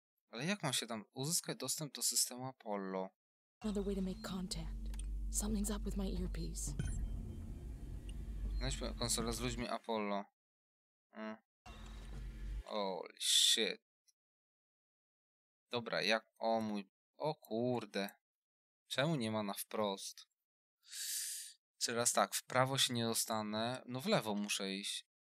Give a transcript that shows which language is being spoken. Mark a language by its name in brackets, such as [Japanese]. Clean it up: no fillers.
[Polish] Ale jak mam się tam uzyskać dostęp do systemu Apollo? [English] Another way to make contact. Something's up with my earpiece. [Polish] Znajdźmy konsolę z ludźmi Apollo. [English] Holy shit. [Polish] Dobra, jak... O mój... O kurde. Czemu nie ma na wprost? Teraz tak, w prawo się nie dostanę. No w lewo muszę iść.